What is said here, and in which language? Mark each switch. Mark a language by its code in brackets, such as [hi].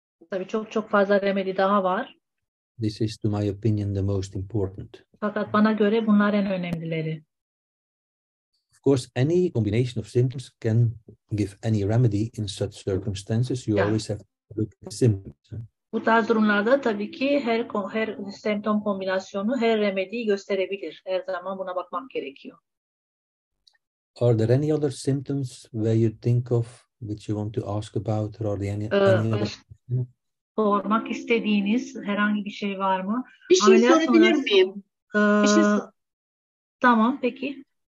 [tr] tabii çok fazla remedi daha var. [en] This is to my opinion the most important. [tr] Fakat bana göre bunlar en önemlileri. [en] Of course any combination of symptoms can give any remedy in such circumstances. You always have to look at the symptoms. [tr] Bu tarz durumlarda tabii ki her semptom kombinasyonu, her remediyi gösterebilir. Her zaman buna bakmak gerekiyor. [en] Are there any other symptoms where you think of, which you want to ask about, or are there any [tr] other? Sormak istediğiniz herhangi bir şey var mı? Bir şey ameliyat sorabilir miyim? Tamam, peki.